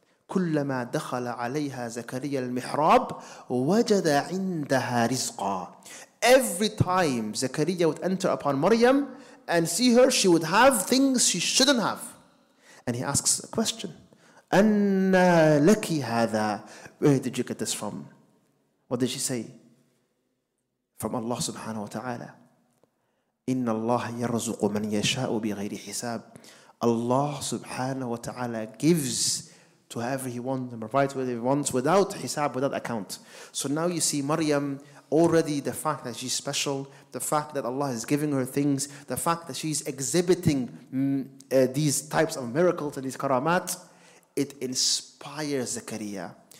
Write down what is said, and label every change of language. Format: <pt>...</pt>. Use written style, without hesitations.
<ar>كلما دخل عليها زكريا المحراب وجد عندها رزقا.</ar> <en>Every time Zakaria would enter upon Maryam and see her, she would have things she shouldn't have. And he asks a question.</en> <ar>أنا لك هذا.</ar> <en>Where did you get this from? What did she say? From Allah subhanahu wa ta'ala.</en> <ar>إن الله يرزق من يشاء بغير حساب.</ar> <en>Allah subhanahu wa ta'ala gives to whoever he wants and provides whatever he wants without hisab, without account. So now you see Maryam, already the fact that she's special, the fact that Allah is giving her things, the fact that she's exhibiting these types of miracles and these karamat, it inspires Zakaria.</en>